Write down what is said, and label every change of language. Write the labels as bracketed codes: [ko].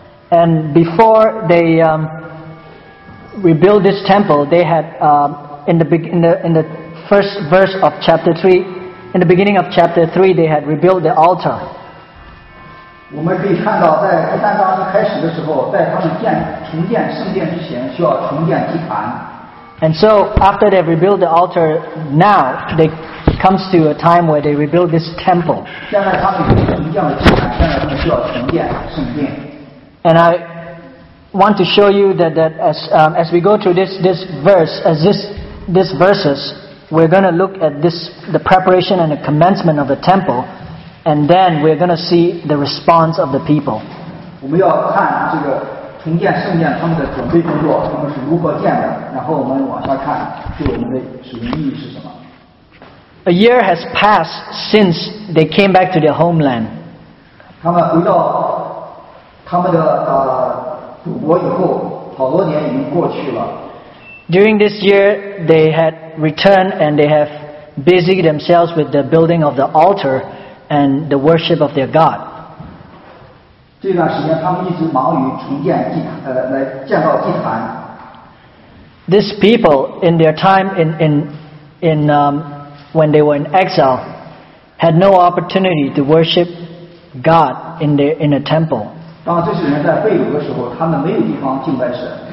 [en] And before they rebuild this temple, they had in the first verse of chapter 3, in the beginning of chapter 3, they had rebuilt the altar. [zh] 我们可以看到，在第三章一开始的时候，在他们重建圣殿之前，需要重建祭坛。 [en] And so after they rebuild the altar, now they comes to a time where they rebuild this temple. [zh] 现在他们已经重建了祭坛，现在他们需要重建圣殿。 [en] And I want to show you that as we go through this verses, we're going to look at the preparation and the commencement of the temple, and then we're going to see the response of the people. [zh] 我们要看这个重建圣殿他们的准备工作，他们是如何建的，然后我们往下看，对我们的使用意义是什么。 [en] A year has passed since they came back to their homeland. [zh] 他们回到他们的祖国以后，好多年已经过去了。 [en] During this year, they had returned and they have busied themselves with the building of the altar and the worship of their God. [zh] 这段时间，他们一直忙于重建祭坛，来建造祭坛。 [en] These people, in their time in when they were in exile, had no opportunity to worship God in a temple. [zh] 当这些人在被掳的时候，他们没有地方敬拜神。